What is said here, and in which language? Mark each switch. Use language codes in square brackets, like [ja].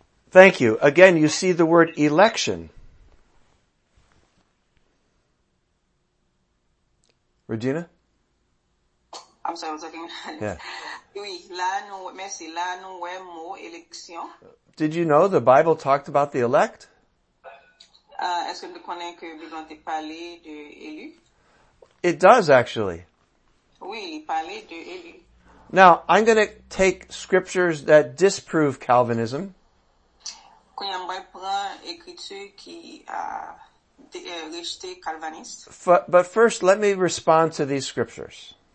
[en] Thank you. Again, you see the word election. Regina? I'm sorry, I was looking. Yeah. [fr] Oui, là nous, merci, là nous voyons le mot élection. [en] Did you know the Bible talked about the elect? [fr] Est-ce que tu connais que la Bible parle de élu? [en] It does, actually. [fr] Oui, il parle de élu. [en] Now, I'm going to take scriptures that disprove Calvinism. But first, let me respond to these scriptures.